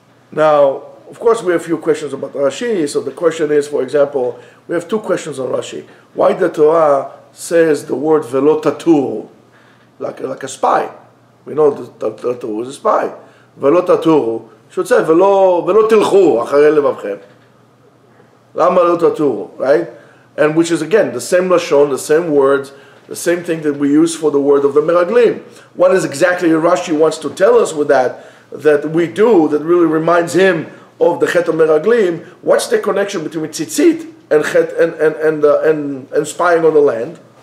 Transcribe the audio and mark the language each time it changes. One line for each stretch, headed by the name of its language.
English: Now, of course, we have a few questions about Rashi. So the question is, for example, we have two questions on Rashi. Why the Torah says the word velo tatur, like a spy? We know that tatur is a spy.
Hebrew: ולא תטורו, שוצא, ולא תלכו אחרי לבבכם. למה לא תטורו,
English: right? And which is again, the same lashon, the same words, the same thing that we use for the word of the meraglim. What is exactly Rashi wants to tell us with that, that we do, that really reminds him of the chet of meraglim? What's the connection between tzitzit and chet and spying on the land?